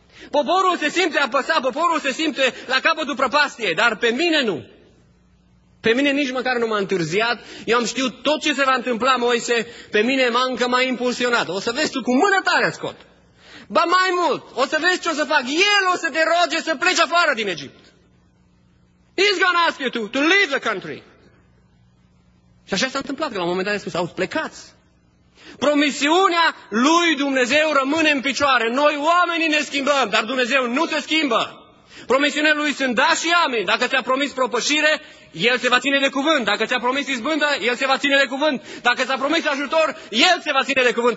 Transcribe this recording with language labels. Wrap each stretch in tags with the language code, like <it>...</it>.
<ro>Poporul se simte apăsat, poporul se simte la capătul prăpastiei, dar pe mine nu. Pe mine nici măcar nu m-a întârziat, eu am știut tot ce se va întâmpla, Moise, pe mine m-a încă mai impulsionat. O să vezi tu cu mână tare, scot. Ba mai mult, o să vezi ce o să fac, El o să te roge să pleci afară din Egipt.</ro> <en>He's gonna ask you to leave the country.</en> <ro>Și așa s-a întâmplat, că la un moment dat i-a spus, auzi, plecați. Promisiunea lui Dumnezeu rămâne în picioare. Noi oamenii ne schimbăm, dar Dumnezeu nu se schimbă. Promisiunea lui sunt da și amin. Dacă ți-a promis propășire, el se va ține de cuvânt. Dacă ți-a promis izbândă, el se va ține de cuvânt. Dacă ți-a promis ajutor, el se va ține de cuvânt.</ro>